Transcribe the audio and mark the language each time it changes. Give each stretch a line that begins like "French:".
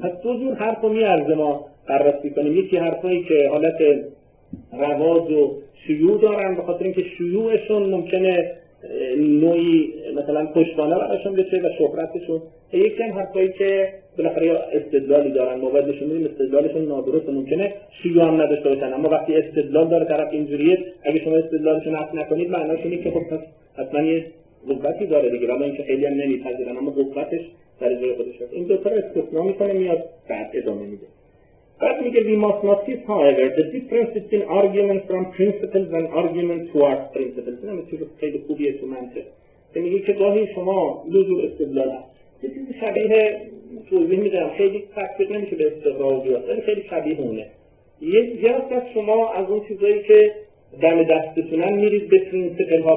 Persian: پس دو جور حرفو میارزه ما بررسی کنیم، یکی حرفایی که حالت رواج و شیوع دارن به خاطر اینکه شیوعشون ممکنه نوعی مثلا پشتوانه برایشون بشه و شهرتشون، یکی هم حرفایی که بالاخره استدلالی دارن، ما باید نشون بدیم استدلالشون نادرست، ممکنه شیوع هم نداشته باشن، اما وقتی استدلال داره طرف اینجوریه، اگه شما استدلالشون حس نکنید معناش اینه که خب پس حتما یه قوتی داره دیگه، ولی اینکه خیلی هم نمیپذیرن، اما قوتش در جای خودش هست. این دو تا رو استثنا میکنه میاد بعد ادامه میده. بعد میگه
English: we must notice however the difference between arguments from principles and arguments towards principles.
Persian: اینم چیز خیلی خوبیه تو منطق، میگه که گاهی شما لزو استدلال هست، یه چیزی شبیه توضیح میدم، خیلی تطبیق نمیشه به استدلال بیاد، ولی خیلی شبیه اونه. یه هست از شما از اون چیزایی که دم دستتونن میرید به پرینسپل ها.